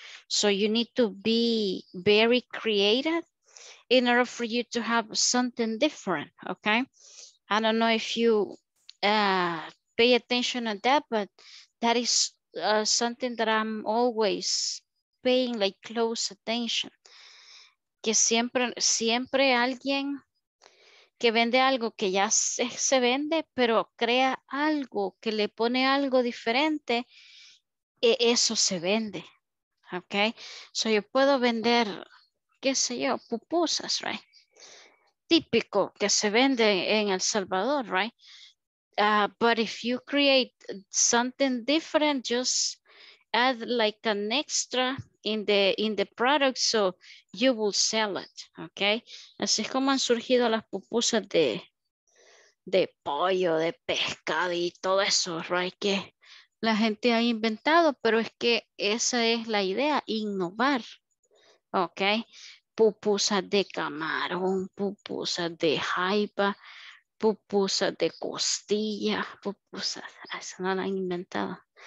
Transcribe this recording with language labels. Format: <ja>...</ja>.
<en>So you need to be very creative in order for you to have something different, okay? I don't know if you pay attention to that, but that is something that I'm always paying like close attention.</en> <es>Que siempre alguien que vende algo que ya se vende, pero crea algo, que le pone algo diferente, eso se vende. Okay? So yo puedo vender, qué sé yo, pupusas, right? Típico que se vende en El Salvador, right?</es> <en>But if you create something different, just add like an extra in the product, so you will sell it, okay?</en> <es>Así es como han surgido las pupusas de pollo, de pescado y todo eso, right? Que la gente ha inventado, pero es que esa es la idea, innovar, okay? Pupusas de camarón, pupusas de jaiba, pupusas de costilla, pupusas, eso no la han inventado.</es>